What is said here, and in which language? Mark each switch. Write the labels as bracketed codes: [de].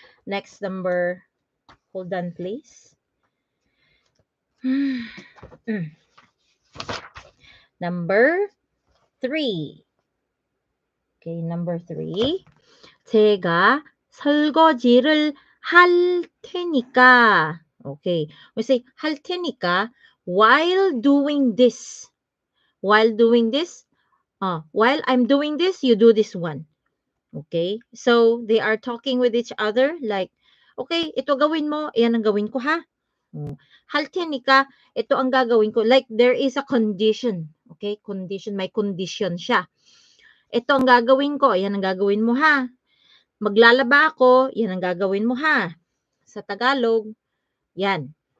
[en] Next number. Hold on, please. Number 3. Okay, number 3. [ko] 제가 설거지를 할 테니까. [en] Okay. We say 할 테니까 while I'm doing this, you do this one. Okay? So they are talking with each other like, okay, [tl] ito gawin mo, yan ang gawin ko ha. Hal teniika, ito ang gagawin ko. [en] Like there is a condition. Okay? [tl] Condition, may condition siya. Ito ang gagawin ko, yan ang gagawin mo ha. Maglalaba ako, yan ang gagawin mo ha. Sa Tagalog, yan.